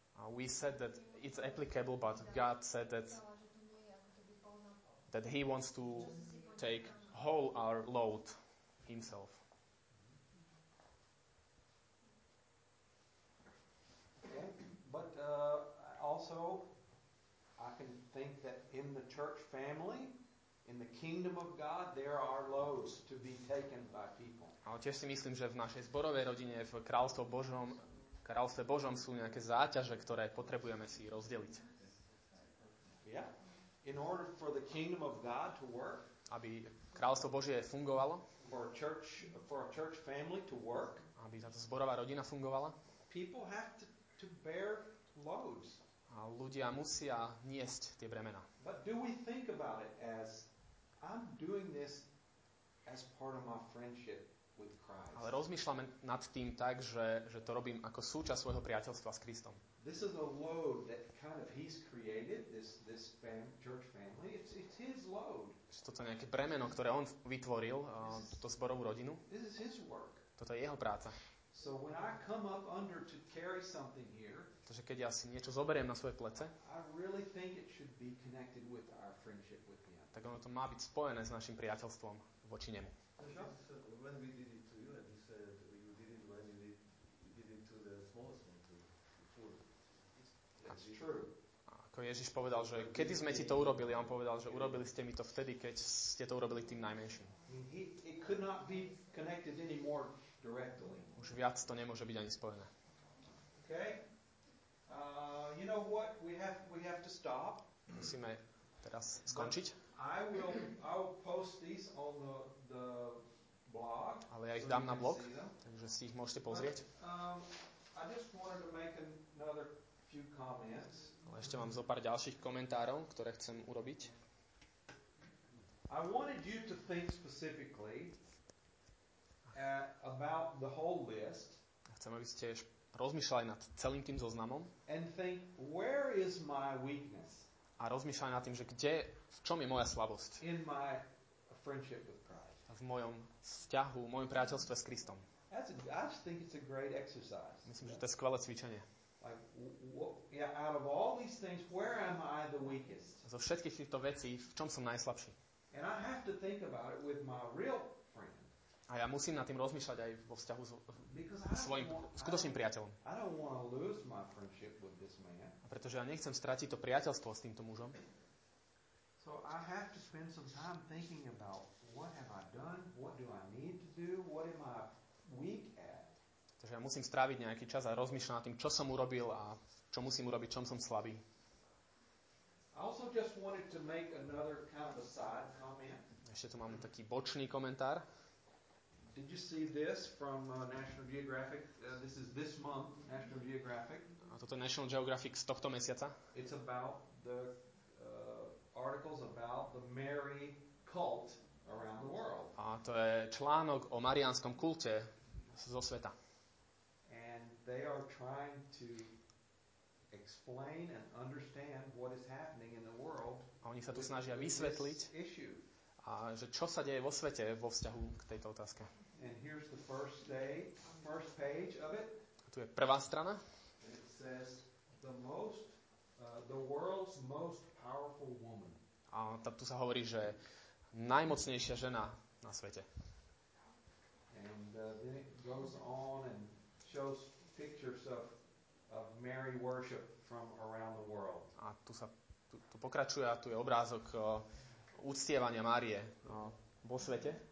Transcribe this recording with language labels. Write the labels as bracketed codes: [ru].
[en] We said that it's applicable, but God said that he wants to take whole our load himself. Okay. But also, I can think that in the church family, in the kingdom of God, there are loads to be taken by people. [sk] Ale tiež si myslím, že v našej zborovej rodine, v kráľstve Božom, Kráľstve Božom sú nejaké záťaže, ktoré potrebujeme si rozdeliť. [en] Yeah. In order for the kingdom of God to work, [sk] aby Kráľstvo Božie fungovalo, [en] for a church family to work, [sk] aby táto zborová rodina fungovala, [en] people have to bear loads. [sk] A ľudia musia niesť tie bremena. [en] But do we think about it as I'm doing this as part of my friendship? [sk] Ale rozmýšľame nad tým tak, že to robím ako súčasť svojho priateľstva s Kristom. [en] This is a load that kind of he's created, this church family. It's his load. [sk] Toto je nejaké bremeno, ktoré on vytvoril, túto zborovú rodinu. [en] This is his work. [sk] Toto je jeho práca. [en] So when I come up under to carry something here, [sk] takže keď ja si niečo zoberiem na svoje plece, [en] I really think it should be connected with our friendship with him. [sk] Tak ono to má byť spojené s našim priateľstvom voči nemu. [en] When we did it to you, and you said you did it when you did it to the smallest one, to the poor. That's true. [sk] Ako Ježiš povedal, že kedy sme ti to urobili, on povedal, že urobili ste mi to vtedy, keď ste to urobili tým najmenším. [en] It could not be connected any more directly. [sk] Už viac to nemôže byť ani spojené. [en] Okay. You know what? We have to stop. [sk] Musíme teraz skončiť. [en] I will post these on the blog. [sk] Ale ja ich dám na blog, takže si ich môžete pozrieť. [en] I just wanted to make another few comments. [sk] Ale ešte mám zo pár ďalších komentárov, ktoré chcem urobiť. [en] I wanted you to think specifically about the whole list. [sk] Chcem, aby ste rozmýšľali nad celým tým zoznamom. [en] And think, where is my weakness? [sk] A rozmýšľaj nad tým, že kde, v čom je moja slabosť. [en] In my friendship with Christ. [sk] V mojom vzťahu, v mojom priateľstve s Kristom. [en] I think it's a great exercise. [sk] Myslím, že to je skvelé cvičenie. [en] Like, out of all these things, where am I the weakest? [sk] Zo všetkých týchto vecí, v čom som najslabší? [en] And I have to think about it with my real friend. [sk] A ja musím nad tým rozmýšľať aj vo vzťahu s svojim skutočným priateľom. [en] I don't want to lose my friendship with this man. [sk] Pretože ja nechcem stratiť to priateľstvo s týmto mužom. [en] So I have to spend some time thinking about what have I done, what do I need to do, what am I weak at. [sk] Takže ja musím stráviť nejaký čas a rozmýšľať nad tým, čo som urobil a čo musím urobiť, čom som slabý. [en] I also just wanted to make another kind of a side comment. [sk] Ešte tu mám taký bočný komentár. [en] Did you see this from National Geographic? This is this month, National Geographic. [sk] A toto je National Geographic z tohto mesiaca. [en] It's about the articles about the Mary cult around the world. [sk] A to je článok o mariánskom kulte zo sveta. [en] And they are trying to explain and understand what is happening in the world. [sk] A oni sa tu snažia vysvetliť, a že čo sa deje vo svete vo vzťahu k tejto otázke. [en] And here's the first day, first page of it. [sk] A tu je prvá strana. [en] It says the most the world's most powerful woman. [sk] A tam tu sa hovorí, že najmocnejšia žena na svete. [en] And then it goes on and shows pictures of Mary worship from around the world. [sk] A tu sa tu pokračuje, a tu je obrázok uctievania Márie vo svete.